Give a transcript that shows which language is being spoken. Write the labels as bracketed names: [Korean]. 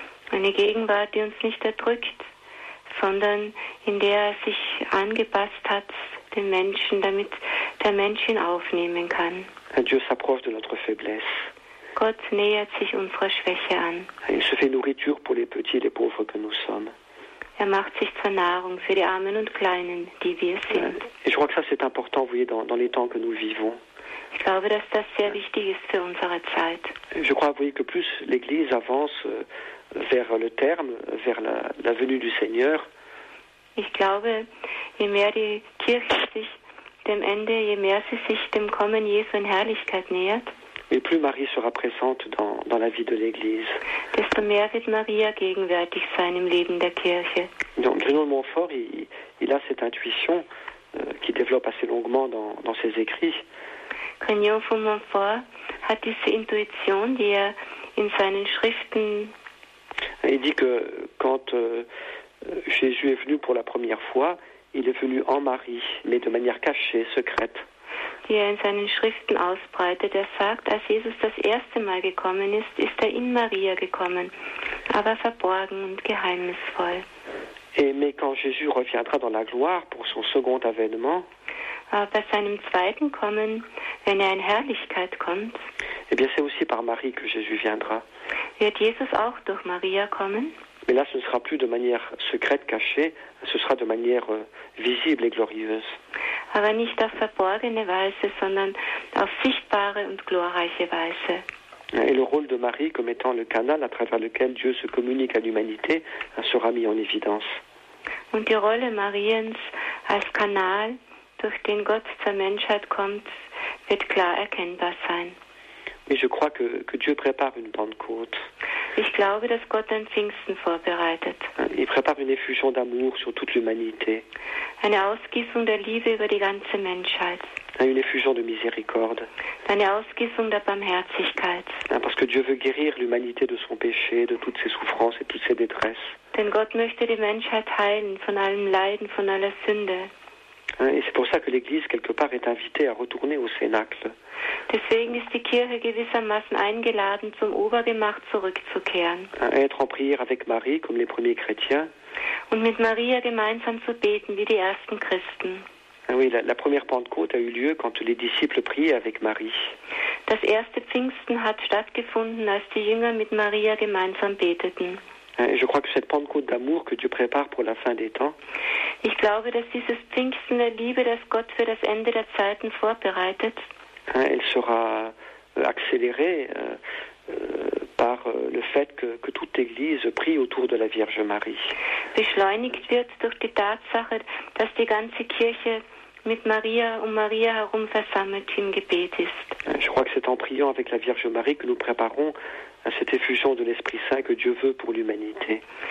[German] Eine Gegenwart, die uns nicht erdrückt, sondern in der er sich angepasst hat, den Menschen, damit der Mensch ihn aufnehmen kann. [French] Dieu s'approche de notre faiblesse. [German] Gott nähert sich unserer Schwäche an. [French] Il se fait nourriture pour les petits et les pauvres que nous sommes. [German] Er macht sich zur Nahrung für die Armen und Kleinen, die wir sind. [French] Et je crois que ça c'est important, vous voyez, dans les temps que nous vivons. [German] Ich glaube, dass das sehr wichtig ist für unsere Zeit. [French] Je crois, vous voyez, que plus l'Église avance vers le terme, vers la venue du Seigneur. [German] Ich glaube, je mehr die Kirche sich dem Ende, je mehr sie sich dem Kommen Jesu in Herrlichkeit nähert. [French] Et plus Marie sera présente dans la vie de l'Église. [German] Desto mehr wird Maria gegenwärtig sein im Leben der Kirche. [French] Donc Grignion de Montfort, il a cette intuition qu'il développe assez longuement dans ses écrits. [German] Grignion von Montfort hat diese Intuition, die er in seinen Schriften. [French] Il dit que quand Jésus est venu pour la première fois, il est venu en Marie, mais de manière cachée, secrète. [German] Die er in seinen Schriften ausbreitet. Er sagt, als Jesus das erste Mal gekommen ist, ist er in Maria gekommen, aber verborgen und geheimnisvoll. [French] Mais quand Jésus reviendra dans la gloire pour son second avènement, [German] aber bei seinem zweiten Kommen, wenn er in Herrlichkeit kommt, [French] et bien c'est aussi par Marie que Jésus viendra. [German] Wird Jesus auch durch Maria kommen? [French] Mais là, ce ne sera plus de manière secrète, cachée, ce sera de manière visible et glorieuse. [German] Aber nicht auf verborgene Weise, sondern auf sichtbare und glorreiche Weise. [French] Et le rôle de Marie comme étant le canal à travers lequel Dieu se communique à l'humanité sera mis en évidence. [German] Und die Rolle Mariens als Kanal, durch den Gott zur Menschheit kommt, wird klar erkennbar sein. [French] Mais je crois que Dieu prépare une Pentecôte. [German] Ich glaube, dass Gott ein Pfingsten vorbereitet. [French] Il prépare une effusion d'amour sur toute l'humanité. [German] Eine Ausgießung der Liebe über die ganze Menschheit. [French] Une effusion de miséricorde. [German] Eine Ausgießung der Barmherzigkeit. [French] Parce que Dieu veut guérir l'humanité de son péché, de toutes ses souffrances et toutes ses détresses. [German] Denn Gott möchte die Menschheit heilen von allem Leiden, von aller Sünde. [French] Et c'est pour ça que l'Église, quelque part, est invitée à retourner au Cénacle. [German] Deswegen ist die Kirche gewissermaßen eingeladen, zum Obergemach zurückzukehren. [French] Être en prière avec Marie, comme les premiers chrétiens. [German] Und mit Maria gemeinsam zu beten, wie die ersten Christen. [French] Oui, la première Pentecôte a eu lieu quand les disciples priaient avec Marie. [German] Das erste Pfingsten hat stattgefunden, als die Jünger mit Maria gemeinsam beteten. [French] Et je crois que cette Pentecôte d'amour que Dieu prépare pour la fin des temps. [German] Ich glaube, dass dieses Pfingsten der Liebe, das Gott für das Ende der Zeiten vorbereitet, [French] elle sera accélérée par le fait que toute l'Église prie autour de la Vierge Marie. [German] Beschleunigt wird durch die Tatsache, dass die ganze Kirche mit Maria um Maria herum versammelt im Gebet ist. [French] c'est en priant avec la Vierge Marie que nous préparons à cette effusion de l'Esprit Saint que Dieu veut pour l'humanité.